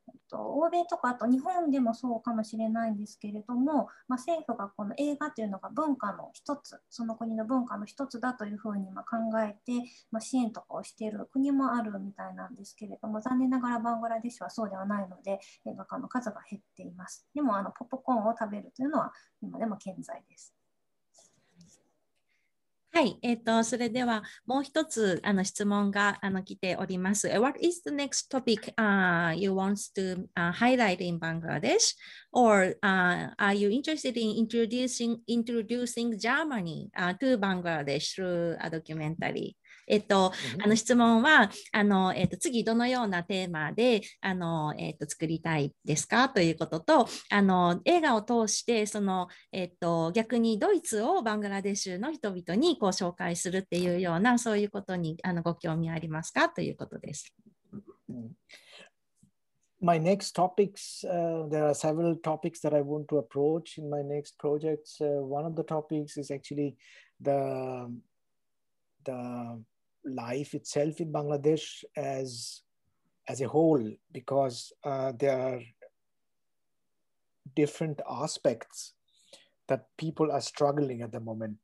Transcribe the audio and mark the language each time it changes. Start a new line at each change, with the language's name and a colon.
Japanese: 欧米とかあと日本でもそうかもしれないんですけれども、まあ、政府がこの映画というのが文化の一つ、その国の文化の一つだというふうにまあ考えて、まあ、支援とかをしている国もあるみたいなんですけれども、残念ながらバングラデシュはそうではないので映画館の数が減っています。でもポップコーンを食べるというのは今でも健在です。はい、それではもう一つ質問が来ております。
English: What is the next topic you want to highlight in Bangladesh? Or are you interested in introducing Germany to Bangladesh through a documentary?
Japanese: 質問は次どのようなテーマで作りたいですかということと映画を通してその、逆にドイツをバングラデシュの人々にこう紹介するっていうようなそういうことにご興味ありますかということです。
English: My next topics, there are several topics that I want to approach in my next projects. One of the topics is actually the life itself in Bangladesh as a whole, because there are different aspects that people are struggling at the moment.